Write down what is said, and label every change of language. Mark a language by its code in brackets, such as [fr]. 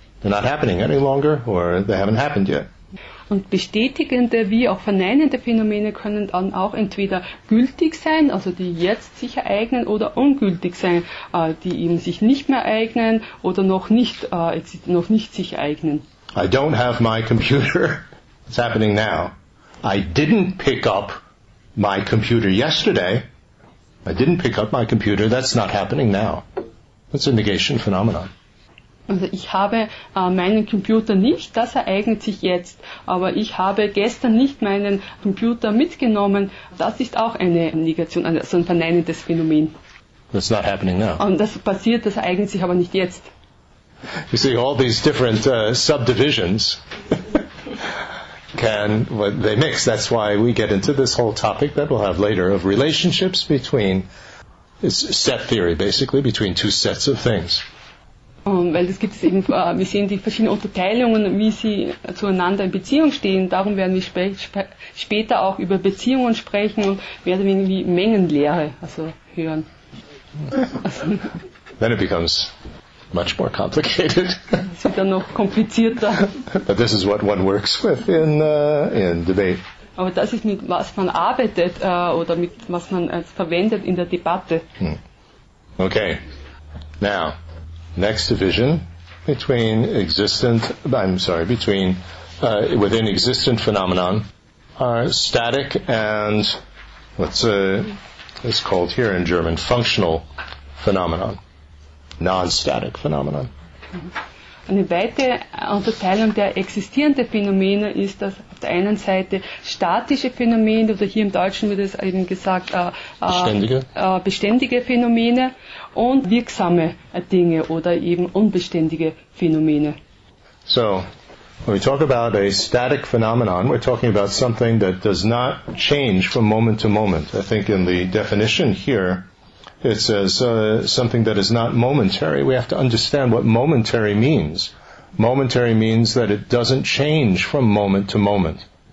[en] They're not happening any longer or they haven't happened yet. [de] Und bestätigende wie auch verneinende Phänomene können dann auch entweder gültig sein, also die jetzt sich ereignen, oder ungültig sein, die eben sich nicht mehr ereignen oder noch nicht sich ereignen. [en] I don't have my computer. It's happening now. I didn't pick up my computer yesterday. I didn't pick up my computer. That's not happening now. That's a negation phenomenon. [de] Also ich habe meinen Computer nicht, das ereignet sich jetzt. Aber ich habe gestern nicht meinen Computer mitgenommen, das ist auch eine Negation, also ein verneinendes Phänomen. [en] That's not happening now. [de] Und das passiert, das ereignet sich aber nicht jetzt. [en] You see, all these different subdivisions can, well, they mix. That's why we get into this whole topic that we'll have later of relationships between, it's set theory basically, between two sets of things. [de] Weil das gibt es eben, wir sehen die verschiedenen Unterteilungen, wie sie zueinander in Beziehung stehen. Darum werden wir später auch über Beziehungen sprechen und werden irgendwie Mengenlehre also hören. [en] Then it becomes much more complicated. [de] Es wird dann noch komplizierter. [en] But this is what one works with in debate. [de] Aber das ist mit was man arbeitet oder mit was man verwendet in der Debatte. [en] Okay, now. Next division between existent, I'm sorry, between within existent phenomenon are static and what's it's called here in German functional phenomenon, non-static phenomenon. [de] Eine weitere Unterteilung der existierenden Phänomene ist, dass auf der einen Seite statische Phänomene, oder hier im Deutschen wird es eben gesagt, beständige Phänomene und wirksame Dinge oder eben unbeständige Phänomene. [en] So, when we talk about a static phenomenon, we're talking about something that does not change from moment to moment. I think in the definition here, it says something that is not momentary. We have to understand what momentary means. Momentary means that it doesn't change from moment to moment.